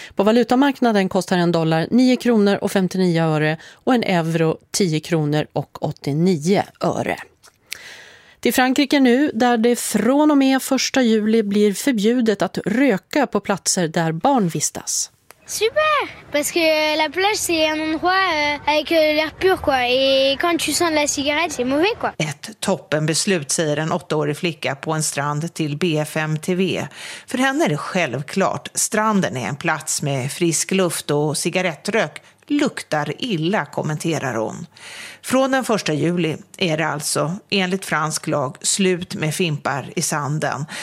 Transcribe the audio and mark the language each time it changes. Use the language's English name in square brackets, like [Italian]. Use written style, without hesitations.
[Swedish] På valutamarknaden kostar en dollar 9 kronor och 59 öre och en euro 10 kronor och 89 öre. Till Frankrike nu, där det från och med 1 juli blir förbjudet att röka på platser där barn vistas. [French] Super, parce que la plage c'est un endroit avec l'air pur quoi et quand tu sens la cigarette c'est mauvais quoi. [Swedish] Ett toppenbeslut, säger en 8-årig flicka på en strand till BFM TV. För henne är det självklart, stranden är en plats med frisk luft och cigarettrök luktar illa, kommenterar hon. Från den 1 juli är det alltså, enligt fransk lag, slut med fimpar i sanden.